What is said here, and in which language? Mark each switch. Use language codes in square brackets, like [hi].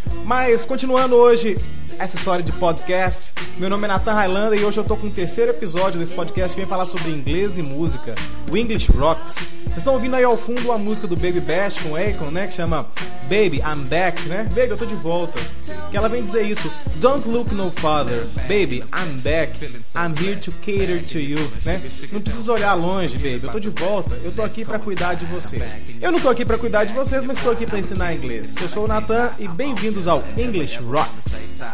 [pt] Mas, continuando hoje essa história de podcast, meu nome é Nathan Highlander e hoje eu tô com o terceiro episódio desse podcast que vem falar sobre inglês e música, o English Rocks. Vocês estão ouvindo aí ao fundo a música do Baby Bash com Akon, né? Que chama Baby, I'm Back, né? Baby, eu tô de volta. Que ela vem dizer isso: [en] Don't look no farther, baby, I'm back, I'm here to cater to you, né? [pt] Não precisa olhar longe, baby, eu tô de volta, eu tô aqui pra cuidar de vocês. Eu não tô aqui pra cuidar de vocês, mas tô aqui pra ensinar inglês. Eu sou o Nathan e bem-vindos ao English Rocks.